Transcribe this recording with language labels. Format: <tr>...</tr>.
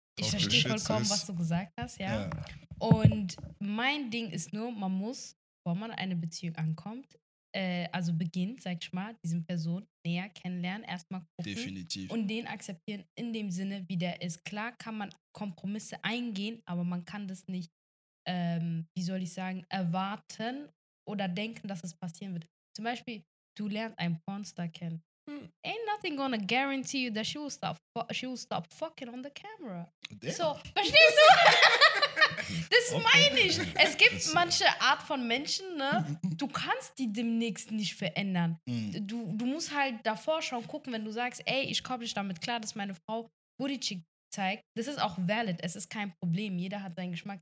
<de>Ich verstehe vollkommen, was du gesagt hast, ja. Und mein Ding ist nur, man muss, bevor man eine Beziehung ankommt, also beginnt, sag ich mal, diesen Person näher kennenlernen, erstmal gucken. Definitiv. Und den akzeptieren in dem Sinne, wie der ist. Klar kann man Kompromisse eingehen, aber man kann das nicht, wie soll ich sagen, erwarten oder denken, dass es passieren wird. Zum Beispiel, du lernst einen Pornstar kennen.</de> <en>Ain't nothing gonna guarantee you that she will stop fucking on the camera.</en> <de>Damn. So, verstehst du? Das meine ich. Es gibt manche Art von Menschen, ne? Du kannst die demnächst nicht verändern. Du musst halt davor schon gucken, wenn du sagst, ey, ich komme nicht damit klar, dass meine Frau Bootychick zeigt. Das ist auch valid. Es ist kein Problem. Jeder hat seinen Geschmack.</de>